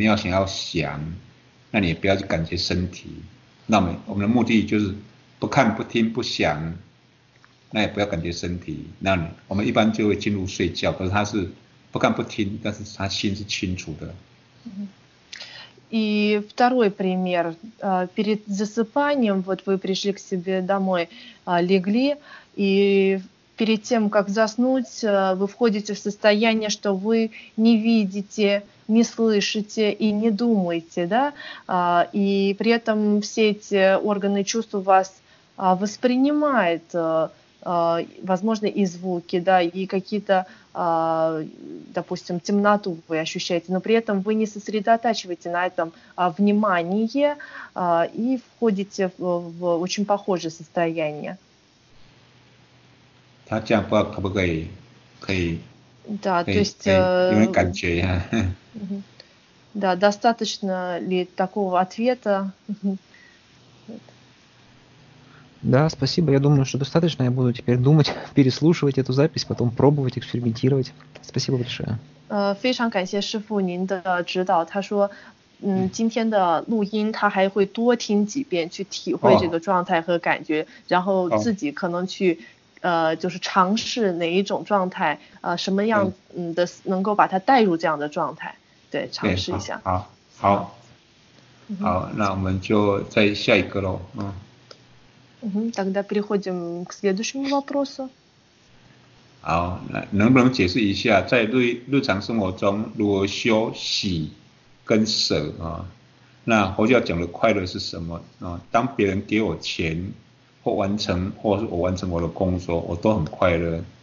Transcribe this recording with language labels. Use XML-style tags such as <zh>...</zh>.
<zh>另外一种方式就是说，譬如说我们晚上要睡觉，有没有？那我们就没有想要看，没有想要听，甚至也没有想要想，那你不要去感觉身体。那么我们的目的就是不看不听不想，那也不要感觉身体。那我们一般就会进入睡觉，可是他是不看不听，但是他心是清楚的。</zh> <ru>И второй пример. Перед засыпанием, вот вы пришли к себе домой, легли, и перед тем, как заснуть, вы входите в состояние, что вы не видите, не слышите и не думаете, да, и при этом все эти органы чувств у вас воспринимают, возможно, и звуки, да, и какие-то, допустим, темноту вы ощущаете, но при этом вы не сосредотачиваете на этом внимание и входите в очень похожее состояние.</ru> <zh>他这样不知道可不可以？可以。</zh> <ru>Да, hey, то есть да, достаточно ли такого ответа? Да, спасибо. Я думаю, что достаточно. Я буду теперь думать, переслушивать эту запись, потом пробовать, экспериментировать. Спасибо большое.</ru> <zh>非常感谢师父您的指导，他说。今天的录音他还会多听几遍，去体会这个状态和感觉，然后自己可能去。就是尝试哪一种状态，什么样的能够把它带入这样的状态，对，尝试一下。好，那我们就再下一个喽。</zh> <ru>Тогда переходим к следующему вопросу.</ru> <zh>好，那能不能解释一下，在日常生活中，如果修喜跟舍啊，那佛教讲的快乐是什么啊？当别人给我钱。 或完成，或是我完成我的工作，我都很快乐。</zh>